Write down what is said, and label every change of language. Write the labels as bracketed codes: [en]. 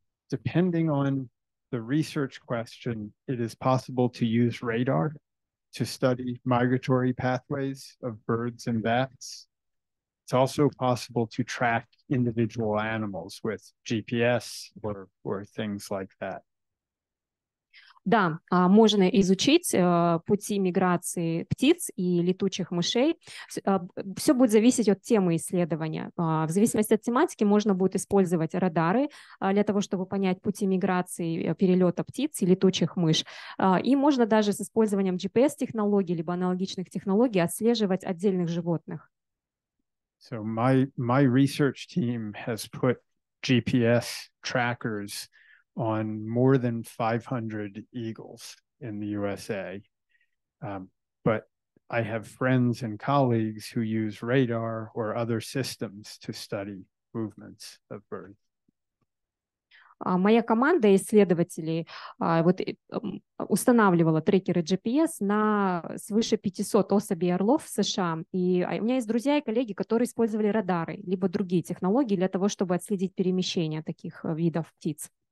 [en] Depending on the research question, it is possible to use radar to study migratory pathways of birds and bats. It's also possible to track individual animals with GPS or things like that. [ru] Да, можно изучить пути миграции птиц и летучих мышей. Все будет зависеть от темы исследования. В зависимости от тематики можно будет использовать радары для того, чтобы понять пути миграции перелета птиц и летучих мышь. И можно даже с использованием GPS-технологий либо аналогичных технологий отслеживать отдельных животных. [en] So my research team has put GPS trackers on more than 500 eagles in the USA. But I have friends and colleagues who use radar or other systems to study movements of birds. [ru] Моя команда исследователей вот устанавливала трекеры GPS на свыше 500 особей орлов в США. И у меня есть друзья и коллеги, которые использовали радары либо другие технологии для того, чтобы отследить перемещение таких видов птиц.